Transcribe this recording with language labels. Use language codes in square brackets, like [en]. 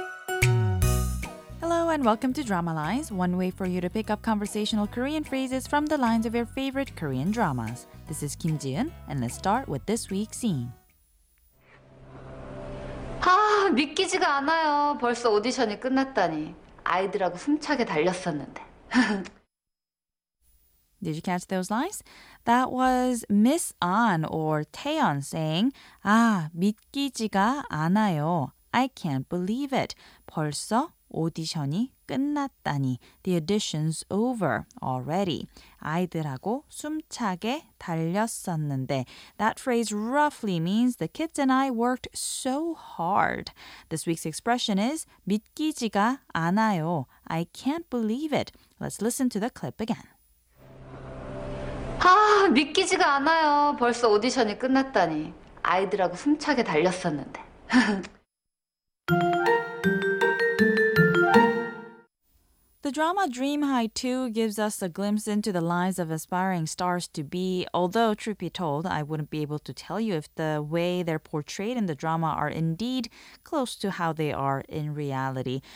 [en] and welcome to Drama Lines, one way for you to pick up conversational Korean phrases from the lines of your favorite Korean dramas. This is Kim Ji-eun, and let's start with this week's scene. [ko] 아, 믿기지가 않아요. 벌써 오디션이 끝났다니. 아이들하고 숨차게 달렸었는데. [en] Did you catch those lines? That was Miss An or Taeyeon saying, [ko] 아, 믿기지가 않아요. [en] I can't believe it. [ko] 벌써 오디션이 끝났다니. [en] The audition's over already. [ko] 아이들하고 숨차게 달렸었는데. [en] That phrase roughly means the kids and I worked so hard. This week's expression is [ko] 믿기지가 않아요. [en] I can't believe it. Let's listen to the clip again. [ko] 아, 믿기지가 않아요. 벌써 오디션이 끝났다니. 아이들하고 숨차게 달렸었는데. [en] The drama Dream High 2 gives us a glimpse into the lives of aspiring stars-to-be, although, truth be told, I wouldn't be able to tell you if the way they're portrayed in the drama are indeed close to how they are in reality.